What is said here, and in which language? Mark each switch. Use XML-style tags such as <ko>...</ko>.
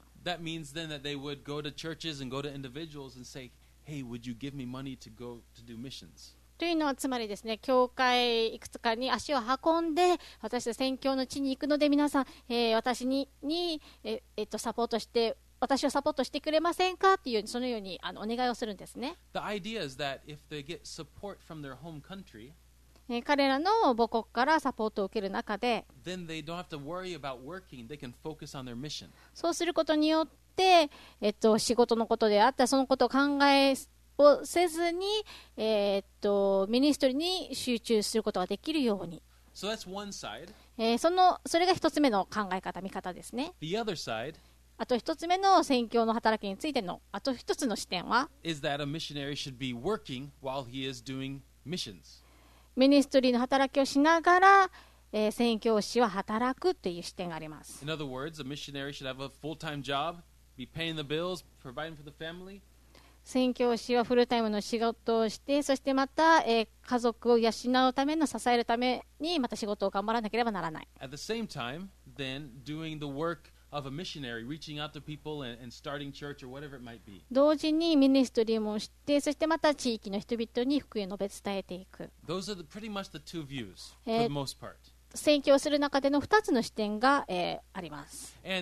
<en>That means then that they would go to churches and go to individuals and say,Hey, would you give me money to go to do missions?</en> <ja>というのはつまりですね、教会いくつかに足を運んで、私は宣教の地に行くので皆さん、私ににサポートして私をサポートしてくれませんかというそのようにお願いをするんですね。</ja> <en>The idea is that if they get support from their home country,</en> <ja>彼らの母国からサポートを受ける中で、</ja> <en>then they don't have to worry about working. They can focus on their mission.</en> <ja>そうすることによって。で仕事のことであったらそのことを考えをせずに、ミニストリーに集中することができるように、</ja> <en>so that's one side.</en> <ja>それが一つ目の考え方見方ですね。</ja> <en>The other side,</en> <ja>あと一つ目の宣教の働きについてのあと一つの視点は</ja> <en>is that a missionary should be working while he is doing missions.</en> <ja>ミニストリーの働きをしながら宣教師は働くという視点があります。</ja> <en>In other words, a missionary should have a full-time job. Be paying the bills, providing for the family.</en> <ja>宣教師はフルタイムの仕事をしてそしてまた、家族を養うための支えるためにまた仕事を頑張らなければならない。</ja> <en>At the same time, then, doing the work of a missionary, reaching out to people and starting church or whatever it might be.</en> <ja>同時にミニストリーもしてそしてまた地域の人々に福音を述べ伝えていく。</ja> <en>Those are pretty much the two views, for the most part.</en> <ja>宣教する中での2つの視点が、あります。</ja>